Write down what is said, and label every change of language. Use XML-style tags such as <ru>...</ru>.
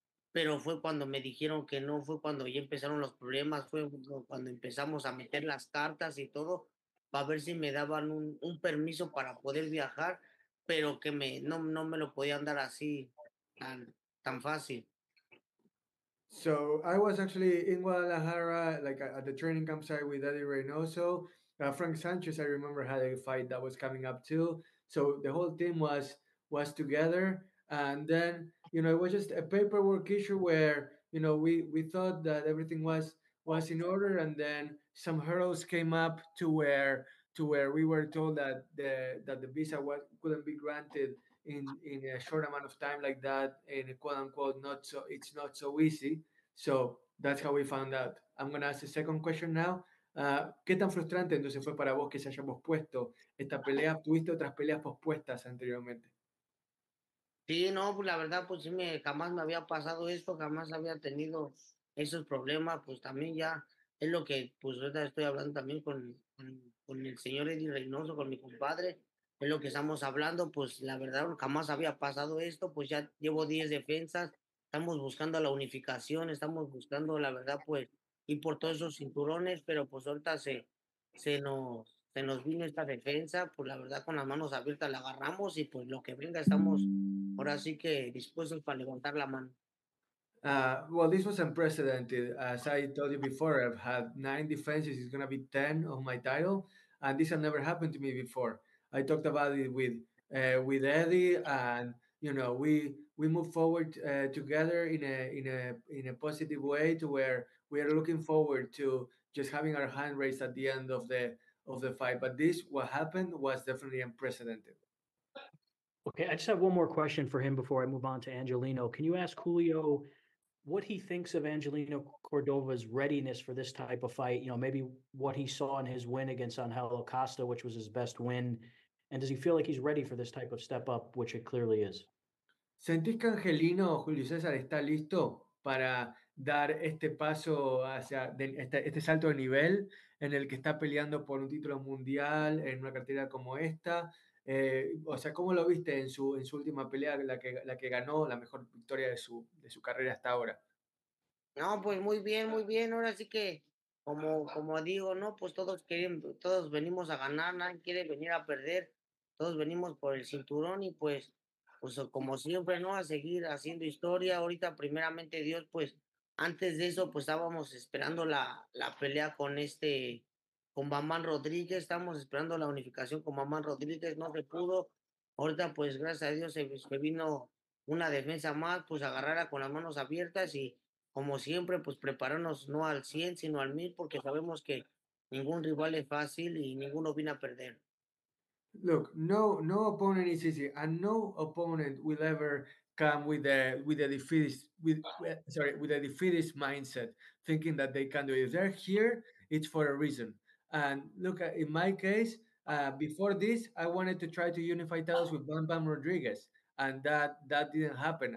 <es>Pero fue cuando me dijeron que no, fue cuando ya empezaron los problemas, fue cuando empezamos a meter las cartas y todo para ver si me daban un permiso para poder viajar, pero que no me lo podían dar así tan fácil.</es> <en>So I was actually in Guadalajara, like at the training campsite with Eddie Reynoso. Frank Sanchez, I remember, had a fight that was coming up too. So the whole team was together. And then, you know, it was just a paperwork issue where, you know, we thought that everything was in order. And then some hurdles came up to where we were told that the visa couldn't be granted in a short amount of time like that, and quote unquote, it's not so easy. So that's how we found out. I'm going to ask the second question now.</en> <es>¿Qué tan frustrante entonces fue para vos que se haya pospuesto esta pelea? ¿Tuviste otras peleas pospuestas anteriormente? Sí, no, pues la verdad, pues sí, jamás me había pasado esto, jamás había tenido esos problemas. Pues también ya es lo que, pues ahorita estoy hablando también con el señor Eddie Reynoso, con mi compadre, es lo que estamos hablando. Pues la verdad, jamás había pasado esto, pues ya llevo 10 defensas, estamos buscando la unificación, estamos buscando, la verdad, pues, y por todos esos cinturones, pero pues ahorita se nos vino esta defensa, pues la verdad con las manos abiertas la agarramos, y pues lo que venga estamos ahora sí que dispuestos para levantar la mano.</es> <en>Well, this was unprecedented. As I told you before, I've had 9 defenses, it's going to be 10 of my title, and this has never happened to me before. I talked about it with Eddie, and you know, we move forward together in a positive way, to where we are looking forward to just having our hand raised at the end of the fight. But this, what happened, was definitely unprecedented. Okay, I just have one more question for him before I move on to Angelino. Can you ask Julio what he thinks of Angelino Cordova's readiness for this type of fight? You know, maybe what he saw in his win against Angel Acosta, which was his best win. And does he feel like he's ready for this type of step up, which it clearly is?</en> <es>¿Sentís que Angelino, Julio César, está listo para dar este paso hacia este salto de nivel en el que está peleando por un título mundial en una cartera como esta? O sea, ¿cómo lo viste en su última pelea, la que ganó, la mejor victoria de su carrera hasta ahora? No, pues muy bien, muy bien. Ahora sí que, como digo, no, pues todos venimos a ganar, nadie quiere venir a perder. Todos venimos por el cinturón y pues como siempre, ¿no? A seguir haciendo historia. Ahorita, primeramente Dios, pues antes de eso, pues estábamos esperando la pelea con Bamán Rodríguez, estábamos esperando la unificación con Bamán Rodríguez, no se pudo. Ahorita, pues gracias a Dios, se vino una defensa más, pues agarrarla con las manos abiertas y como siempre, pues prepararnos no al 100, sino al 1000, porque sabemos que ningún rival es fácil y ninguno viene a perder.</es> <en>Look, no opponent is easy, and no opponent will ever come with a defeatist mindset, thinking that they can do it. If they're here, it's for a reason. And look, in my case, before this, I wanted to try to unify titles with Bam Bam Rodriguez, and that didn't happen.</en>